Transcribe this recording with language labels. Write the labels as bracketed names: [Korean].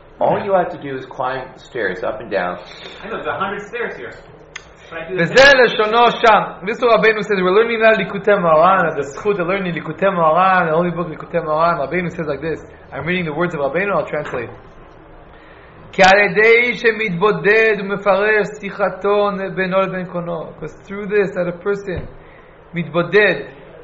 [English] All you have to do is climb the stairs up and down. I know, there's 100 stairs here. [Hebrew] וזה לשונו שם. [English] This is Rabbeinu says, we're learning that Likutei Moharan, the zchut of learning Likutei Moharan, the holy book Likutei Moharan. Rabbeinu says like this. I'm reading the words of Rabbeinu, I'll translate. [Hebrew] כי על ידי שמתבודד ומפרש שיחתו בינו לבין קונו. [English] Because through this, that a person מתבודד.